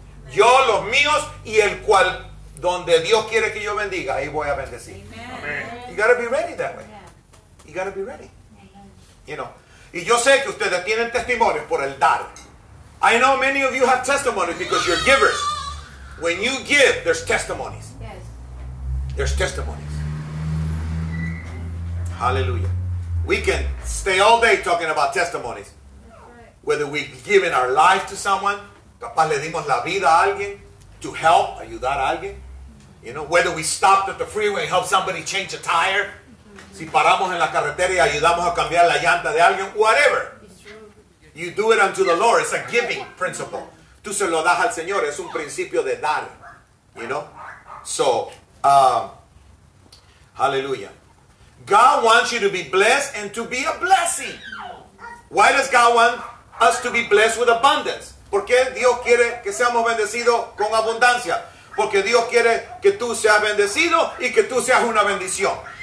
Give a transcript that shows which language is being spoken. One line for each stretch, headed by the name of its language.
Spanish: Yo, los míos, y el cual, donde Dios quiere que yo bendiga, ahí voy a bendecir.
English: Amen. Amen. You gotta be ready that way. Yeah. You gotta be ready. Amen. You know.
Spanish: Y yo sé que ustedes tienen testimonios por el dar.
English: I know many of you have testimonies because you're givers. When you give, there's testimonies. Yes. There's testimonies. Hallelujah. We can stay all day talking about testimonies. Whether we've given our life to someone, capaz le dimos la vida a alguien, to help, ayudar a alguien. You know, whether we stopped at the freeway and helped somebody change a tire.
Spanish: Si paramos en la carretera y ayudamos a cambiar la llanta de alguien, whatever.
English: You do it unto the Lord. It's a giving principle. Tú se lo das al Señor.
Spanish: Es un principio de dar. You know? So, hallelujah.
English: God wants you to be blessed and to be a blessing. Why does God want us to be blessed with abundance?
Spanish: ¿Por qué Dios quiere que seamos bendecidos con abundancia? Porque Dios quiere que tú seas bendecido y que tú seas una bendición.